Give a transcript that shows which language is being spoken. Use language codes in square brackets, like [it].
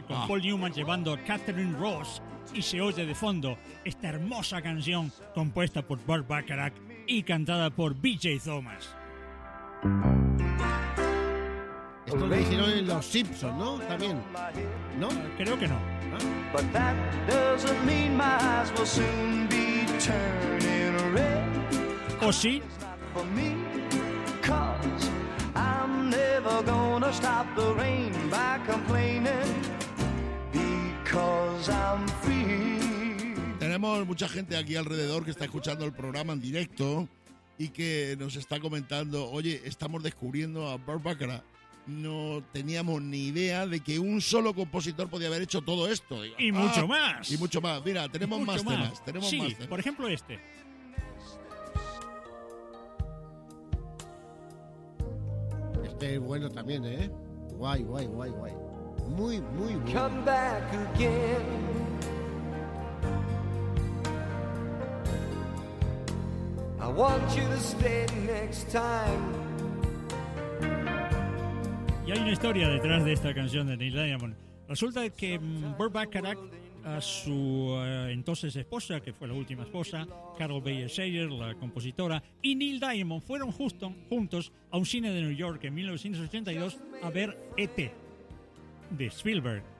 [es] ¿no? con Paul Newman llevando a Catherine Ross, y se oye de fondo esta hermosa canción compuesta por Burt Bacharach y cantada por B.J. Thomas? Esto lo hicieron en Los Simpsons, ¿no? También, ¿no? Creo que no. [en] But that doesn't mean my eyes will soon be turning red. [es] ¿O sí? [en] I'm never gonna stop the rain by complaining, because I'm free. [es] Tenemos mucha gente aquí alrededor que está escuchando el programa en directo y que nos está comentando, oye, estamos descubriendo a Burt Bacharach. No teníamos ni idea de que un solo compositor podía haber hecho todo esto. Y mucho más. Y mucho más. Mira, tenemos más temas. Tenemos sí, más temas. Por ejemplo este. Este es bueno también, ¿eh? Guay, guay, guay, guay. Muy, muy bueno. [en] Come back again. I want you to stay next time. [es] Y hay una historia detrás de esta canción de Neil Diamond. Resulta que Burt Bacharach, a su entonces esposa, que fue la última esposa, Carol Bayer Sayer, la compositora, y Neil Diamond fueron justo juntos a un cine de New York en 1982 a ver E.T. de Spielberg.